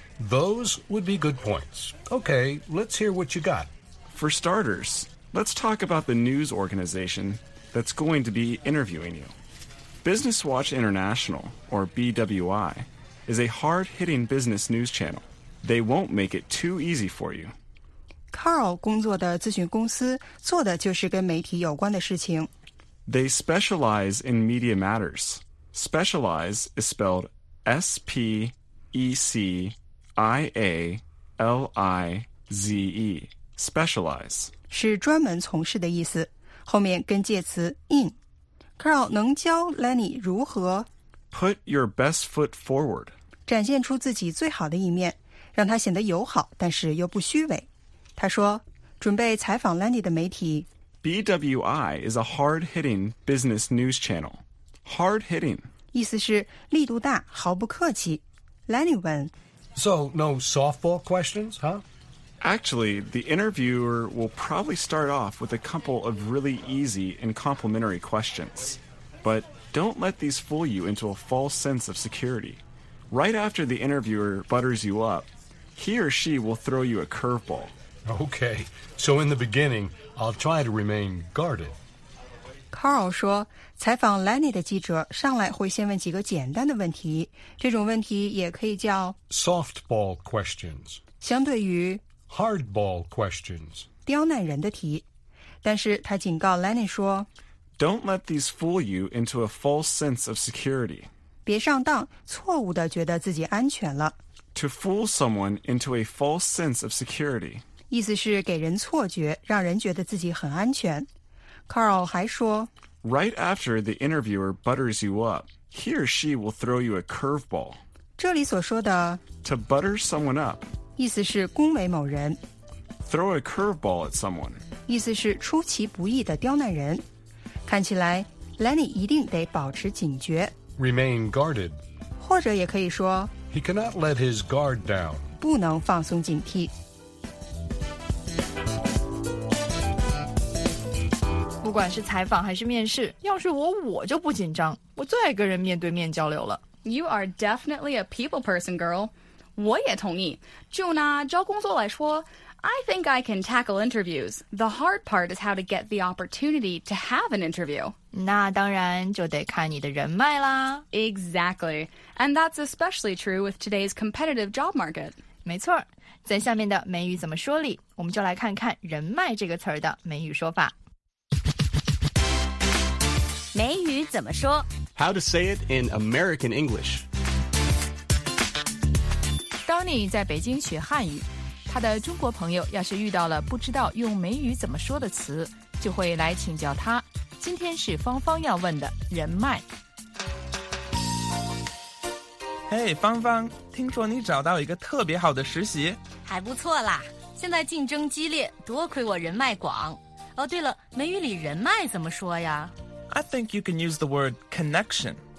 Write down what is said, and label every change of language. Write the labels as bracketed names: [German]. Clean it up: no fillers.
[English] Those would be good points. Okay, let's hear what you got. For starters, let's talk about the news organization that's going to be interviewing you. Business Watch International, or BWI, is a hard-hitting business news channel. They won't make it too easy for you. [Chinese] Carl 工作的咨询公司做的就是跟媒体有关的事情。 [English] They specialize in media matters. Specialize is spelled S-P-E-C-I-A-L-I-Z-E. Specialize. [Chinese] 是专门从事的意思，后面跟介词 in。 Carl 能教 Lenny 如何 [English] Put your best foot forward. [Chinese] 展现出自己最好的一面，让他显得友好，但是又不虚伪。他说，准备采访 Lenny 的媒体。 [English] BWI is a hard-hitting business news channel. Hard-hitting. [Chinese] 意思是力度大，毫不客气。 Lenny 问。 [English] So, no softball questions, huh? Actually, the interviewer will probably start off with a couple of really easy and complimentary questions. But don't let these fool you into a false sense of security. Right after the interviewer butters you up, he or she will throw you a curveball. Okay, so in the beginning, I'll try to remain guarded. [Chinese] Carl 说，采访 Lenny 的记者上来会先问几个简单的问题，这种问题也可以叫 [English] softball questions， [Chinese] 相对于 [English] hardball questions， [Chinese] 刁难人的题。但是他警告 Lenny 说， [English] Don't let these fool you into a false sense of security. [Chinese] 别上当，错误地觉得自己安全了。 [English] To fool someone into a false sense of security. [Chinese] 意思是给人错觉，让人觉得自己很安全。 Carl 还说， [English] Right after the interviewer butters you up, he or she will throw you a curveball. [Chinese] 这里所说的 [English] To butter someone up. [Chinese] 意思是恭维某人。 [English] Throw a curveball at someone. [Chinese] 意思是出其不意的刁难人，看起来 Lenny 一定得保持警觉 [English] ，remain guarded， [Chinese] 或者也可以说 [English] ，he cannot let his guard down， [Chinese] 不能放松警惕。不管是采访还是面试，要是我就不紧张，我最爱跟人面对面交流了。 [English] You are definitely a people person, girl。 [Chinese] 我也同意。就拿招工作来说。 [English] I think I can tackle interviews. The hard part is how to get the opportunity to have an interview. [Chinese] 那当然就得看你的人脉啦。 [English] Exactly. And that's especially true with today's competitive job market. [Chinese] 没错。在下面的美语怎么说里，我们就来看看人脉这个词儿的美语说法。美语怎么说？ [English] How to say it in American English. [Chinese] Donnie 在北京学汉语。他的中国朋友要是遇到了不知道用美语怎么说的词，就会来请教他。今天是芳芳要问的人脉。嘿，芳芳，听说你找到一个特别好的实习。还不错啦，现在竞争激烈，多亏我人脉广。哦，对了，美语里人脉怎么说呀？ [English] I think you can use the word connection.